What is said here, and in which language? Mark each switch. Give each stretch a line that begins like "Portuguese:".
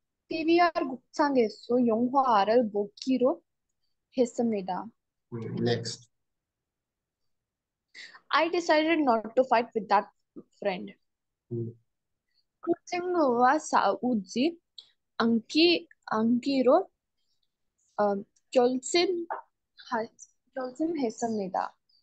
Korean: PVR 극장에서 영화를 보기로 했습니다.
English: Next. I decided not to fight with that friend.
Korean: 그 친구와 싸우지 않기로 결심했습니다.